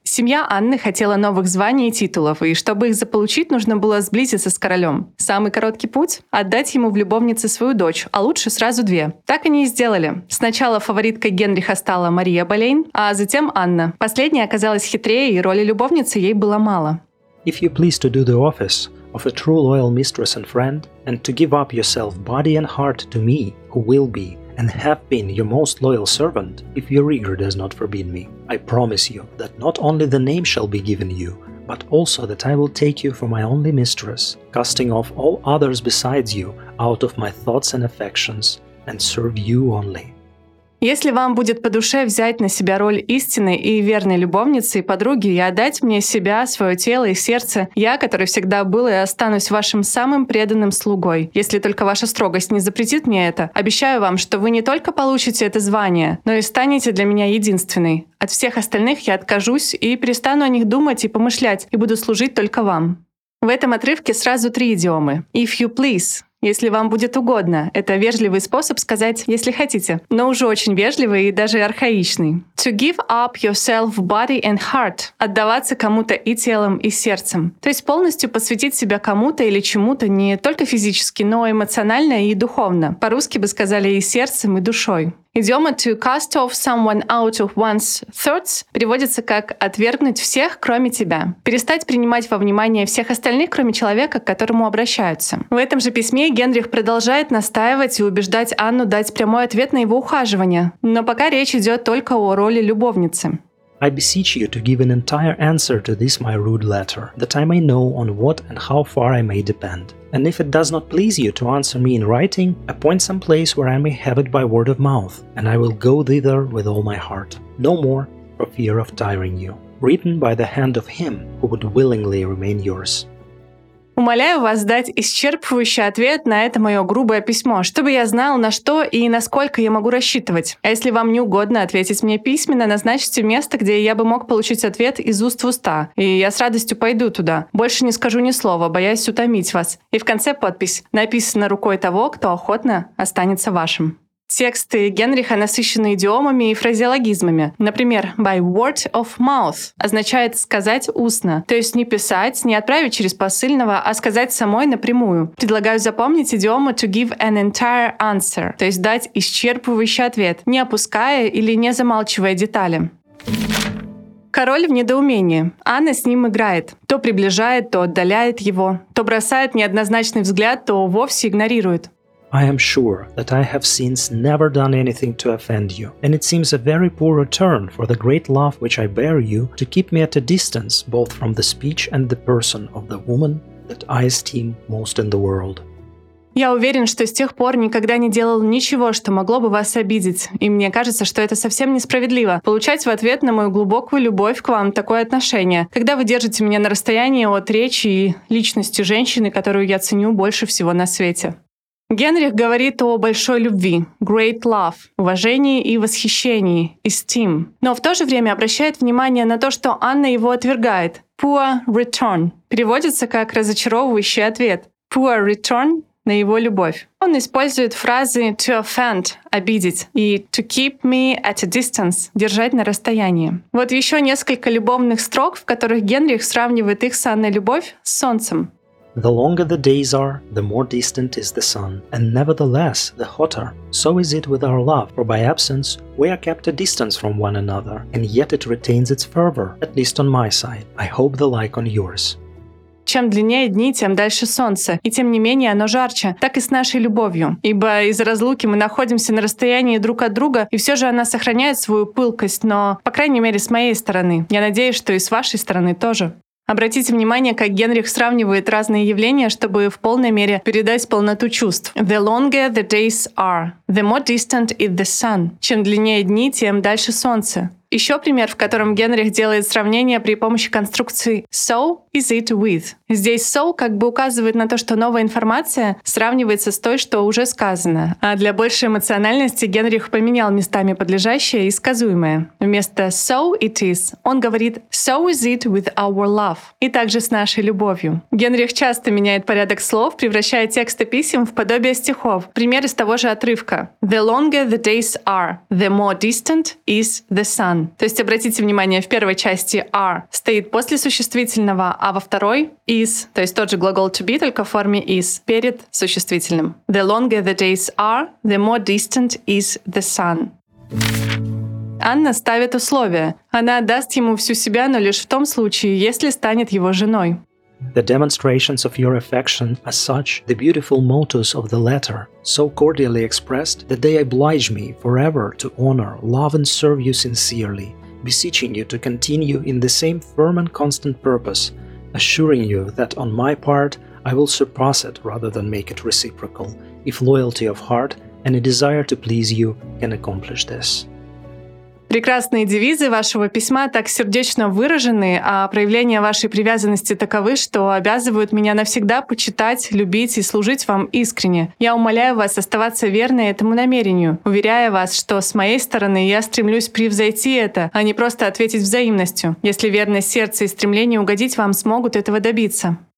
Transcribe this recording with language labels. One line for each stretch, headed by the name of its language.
Russian: Семья Анны хотела новых званий и титулов, и чтобы их заполучить, нужно было сблизиться с королем. Самый короткий путь – отдать ему в любовнице свою дочь, а лучше сразу две. Так они и сделали. Сначала фавориткой Генриха стала Мария Болейн, а затем Анна. Последняя оказалась хитрее, и роли любовницы ей было мало.
English: If you please to do the office of a true loyal mistress and friend, and to give up yourself body and heart to me, who will be and have been your most loyal servant, if your rigor does not forbid me. I promise you that not only the name shall be given you, but also that I will take you for my only mistress, casting off all others besides you out of my thoughts and affections, and serve you only.
Russian: Если вам будет по душе взять на себя роль истинной и верной любовницы и подруги и отдать мне себя, свое тело и сердце, я, который всегда был и останусь вашим самым преданным слугой. Если только ваша строгость не запретит мне это, обещаю вам, что вы не только получите это звание, но и станете для меня единственной. От всех остальных я откажусь и перестану о них думать и помышлять, и буду служить только вам. В этом отрывке сразу три идиомы.
English: If you please.
Russian: Если вам будет угодно. Это вежливый способ сказать «если хотите», но уже очень вежливый и даже архаичный.
English: To give up yourself body and heart.
Russian: Отдаваться кому-то и телом, и сердцем. То есть полностью посвятить себя кому-то или чему-то не только физически, но эмоционально и духовно. По-русски бы сказали «и сердцем, и душой». Идиома
English: to cast off someone out of one's thoughts
Russian: переводится как «отвергнуть всех, кроме тебя». Перестать принимать во внимание всех остальных, кроме человека, к которому обращаются. В этом же письме Генрих продолжает настаивать и убеждать Анну дать прямой ответ на его ухаживание. Но пока речь идет только о роли любовницы.
English: I beseech you to give an entire answer to this my rude letter, that I may know on what and how far I may depend. And if it does not please you to answer me in writing, appoint some place where I may have it by word of mouth, and I will go thither with all my heart. No more, for fear of tiring you. Written by the hand of him who would willingly remain yours.
Russian: Умоляю вас дать исчерпывающий ответ на это мое грубое письмо, чтобы я знал, на что и насколько я могу рассчитывать. А если вам не угодно ответить мне письменно, назначьте место, где я бы мог получить ответ из уст в уста. И я с радостью пойду туда. Больше не скажу ни слова, боясь утомить вас. И в конце подпись. Написано рукой того, кто охотно останется вашим. Тексты Генриха насыщены идиомами и фразеологизмами. Например,
English: «by word of mouth»
Russian: означает «сказать устно», то есть не писать, не отправить через посыльного, а сказать самой напрямую. Предлагаю запомнить идиомы
English: «to give an entire answer»,
Russian: то есть дать исчерпывающий ответ, не опуская или не замалчивая детали. Король в недоумении. Анна с ним играет. То приближает, то отдаляет его, то бросает неоднозначный взгляд, то вовсе игнорирует.
English: I am sure that I have since never done anything to offend you, and it seems a very poor return for the great love which I bear you to keep me at a distance both from the speech and the person of the woman that I esteem most in the world.
Russian: Я уверен, что с тех пор никогда не делал ничего, что могло бы вас обидеть, и мне кажется, что это совсем несправедливо — получать в ответ на мою глубокую любовь к вам такое отношение, когда вы держите меня на расстоянии от речи и личности женщины, которую я ценю больше всего на свете. Генрих говорит о большой любви,
English: great love,
Russian: уважении и восхищении, esteem. Но в то же время обращает внимание на то, что Анна его отвергает.
English: Poor return
Russian: переводится как разочаровывающий ответ.
English: Poor return
Russian: на его любовь. Он использует фразы
English: to offend,
Russian: обидеть, и
English: to keep me at a distance,
Russian: держать на расстоянии. Вот еще несколько любовных строк, в которых Генрих сравнивает их с Анной любовь с солнцем.
English: The longer the days are, the more distant is the sun, and nevertheless the hotter. So is it with our love, for by absence we are kept a distance from one another, and yet it retains its fervor, at least on my side. I hope the like on yours.
Russian: Чем длиннее дни, тем дальше солнце, и тем не менее оно жарче, так и с нашей любовью. Ибо из-за разлуки мы находимся на расстоянии друг от друга, и все же она сохраняет свою пылкость, но, по крайней мере, с моей стороны. Я надеюсь, что и с вашей стороны тоже. Обратите внимание, как Генрих сравнивает разные явления, чтобы в полной мере передать полноту чувств.
English: The longer the days are, the more distant is the sun.
Russian: Чем длиннее дни, тем дальше солнце. Еще пример, в котором Генрих делает сравнение при помощи конструкции
English: so is it with.
Russian: Здесь so как бы указывает на то, что новая информация сравнивается с той, что уже сказано. А для большей эмоциональности Генрих поменял местами подлежащее и сказуемое. Вместо
English: so it is
Russian: он говорит
English: so is it with our love
Russian: и также с нашей любовью. Генрих часто меняет порядок слов, превращая тексты писем в подобие стихов. Пример из того же отрывка.
English: The longer the days are, the more distant is the sun.
Russian: То есть обратите внимание, в первой части are стоит после существительного, а во второй is, то есть тот же глагол to be, только в форме is, перед существительным.
English: The longer the days are, the more distant is the sun.
Russian: Анна ставит условие. Она отдаст ему всю себя, но лишь в том случае, если станет его женой.
English: The demonstrations of your affection are such the beautiful motives of the letter, so cordially expressed that they oblige me forever to honor, love and serve you sincerely, beseeching you to continue in the same firm and constant purpose, assuring you that on my part I will surpass it rather than make it reciprocal, if loyalty of heart and a desire to please you can accomplish this.
Russian: Прекрасные девизы вашего письма так сердечно выражены, а проявления вашей привязанности таковы, что обязывают меня навсегда почитать, любить и служить вам искренне. Я умоляю вас оставаться верной этому намерению, уверяя вас, что с моей стороны я стремлюсь превзойти это, а не просто ответить взаимностью, если верность сердца и стремление угодить вам смогут этого добиться.